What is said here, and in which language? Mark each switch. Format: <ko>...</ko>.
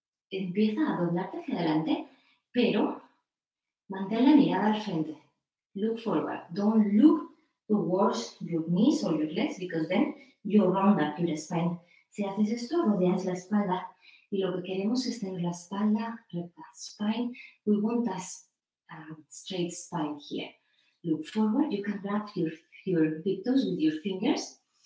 <es>Empieza a doblarte hacia adelante, pero mantén la mirada al frente.</es> <en>Look forward, don't look towards your knees or your legs, because then you round up your spine.</en> <es>Si haces esto, rodeas la espalda. Y lo que queremos es tener la espalda recta.</es> <en>Spine, we want a straight spine here. Look forward, you can grab your big toes with your fingers.</en>